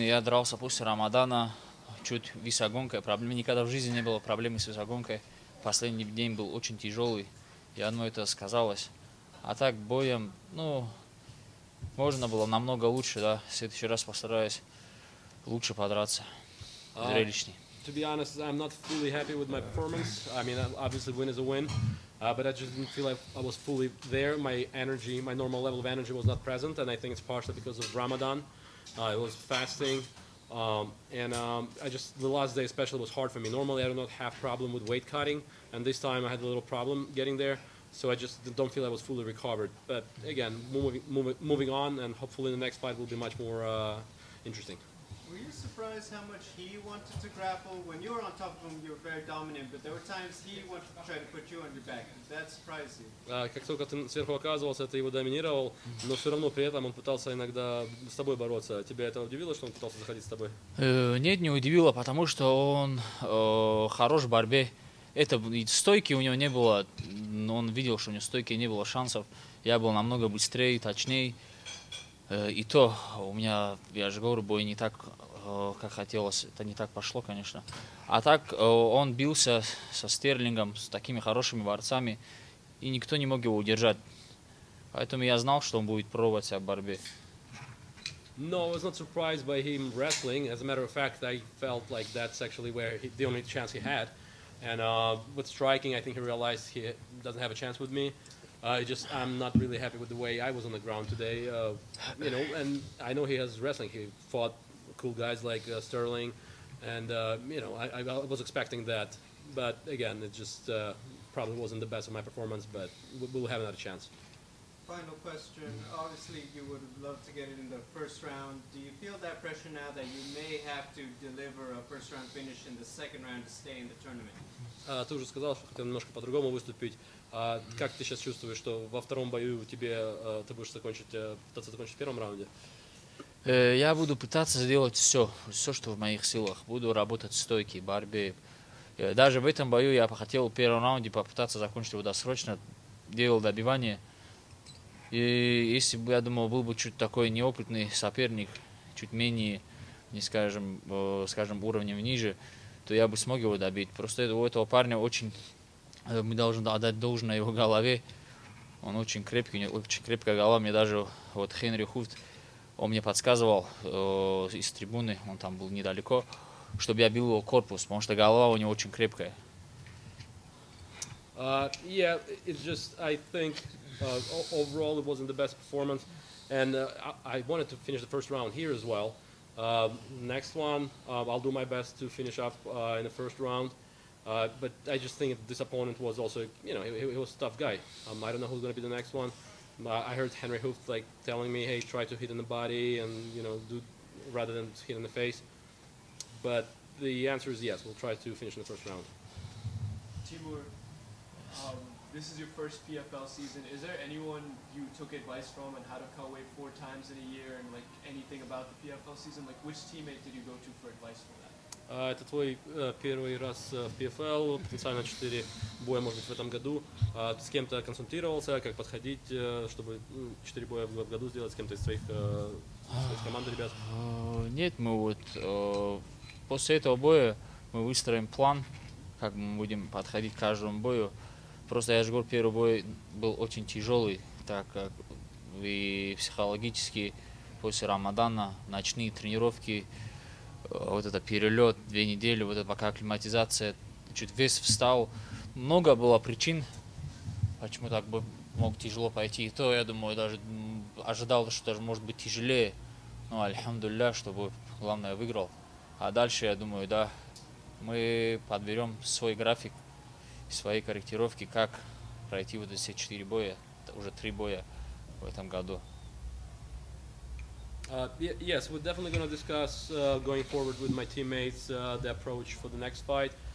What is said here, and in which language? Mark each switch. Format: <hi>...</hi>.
<ru>Я дрался после Рамадана, чуть весогонкой. Проблем никогда в жизни не было проблемы с весогонкой. Последний день был очень тяжелый, и оно это сказалось. А так боем, ну, можно было намного лучше, да. В следующий раз постараюсь лучше подраться, зрелищней.</ru> <en>To be honest, I'm not fully happy with my performance. I mean, obviously, win is a win. But I just didn't feel like I was fully there. My energy, my normal level of energy was not present, and I think it's partially because of Ramadan. I was fasting, I just, the last day especially was hard for me. Normally, I do not have problem with weight cutting, and this time I had a little problem getting there, so I just don't feel I was fully recovered. But again, moving on, and hopefully the next fight will be much more interesting. Were you surprised how much he wanted to grapple? When you were on top of him, you were very dominant, but there were times he wanted to try to put you on your back. That surprised you.</en> <ru>Как только ты сверху оказывался, ты его доминировал, но все равно при этом он пытался иногда с тобой бороться. Тебя это удивило, что он пытался заходить с тобой? Нет, не удивило, потому что он хорош в борьбе. Это стойки у него не было, но он видел, что у него стойки не было шансов. Я был намного быстрее, точнее. И то, у меня, я же говорю, бой не так, как хотелось, это не так пошло, конечно. А так, он бился со Стерлингом, с такими хорошими борцами, и никто не мог его удержать. Поэтому я знал, что он будет пробовать себя в борьбе.</ru> <en>No, I was not surprised by him wrestling. As a matter of fact, I felt like that's actually where he, the only chance he had. And with striking, I think he realized he doesn't have a chance with me. I'm not really happy with the way I was on the ground today, you know, and I know he has wrestling, he fought cool guys like Sterling, and, you know, I was expecting that, but again, it just probably wasn't the best of my performance, but we'll have another chance. Final question, obviously you would have loved to get it in the first round, do you feel that pressure now that you may have to deliver a first round finish in the second round to stay in the tournament?</en> <ru>Ты уже сказал, что хотел немножко по-другому выступить. Как ты сейчас чувствуешь, что во втором бою тебе ты будешь пытаться закончить в первом раунде? Я буду пытаться сделать все, что в моих силах. Буду работать стойки, борьбе. Даже в этом бою я хотел в первом раунде попытаться закончить его досрочно, делал добивание. И если бы, я думал, был бы чуть такой неопытный соперник, чуть менее, не скажем, уровнем ниже, то я бы смог его добить. Просто у этого парня мы должны отдать должное его голове. Он очень крепкий, у него очень крепкая голова. Мне даже вот Хенри Хуфт, он мне подсказывал из трибуны, он там был недалеко, чтобы я бил его корпус, потому что голова у него очень крепкая.</ru> <en>Yeah, it's just, I think, overall it wasn't the best performance. And I wanted to finish the first round here as well. Next one, I'll do my best to finish up in the first round, but I just think this opponent was also, you know, he was a tough guy. I don't know who's going to be the next one. I heard Henry Hooft like telling me, hey, try to hit in the body and, you know, do rather than hit in the face. But the answer is yes, we'll try to finish in the first round. Timur, this is your first PFL season. Is there anyone you took advice from on how to cut weight 4 times in a year and like anything about the PFL season? Like which teammate did you go to for advice for that?</en> <ru>Это твой первый раз в PFL, потенциально 4 боя, может быть, в этом году. Ты с кем-то консультировался, как подходить, чтобы 4 боя в году сделать с кем-то из твоих команды, ребят? Нет, мы вот после этого боя мы выстроим план, как мы будем подходить к каждому бою. Просто я же говорю, первый бой был очень тяжелый, так как и психологически после Рамадана ночные тренировки, вот это перелет, 2 недели, вот это пока акклиматизация, чуть вес встал. Много было причин, почему так бы мог тяжело пойти. И то, я думаю, даже ожидал, что даже может быть тяжелее. Но альхамдулилля, чтобы главное выиграл. А дальше, я думаю, да, мы подберем свой график, свои корректировки, как пройти вот эти 4 боя, уже 3 боя в этом году.</ru> <en>Yes, we're definitely going to discuss going forward with my teammates the approach for the next fight.</en>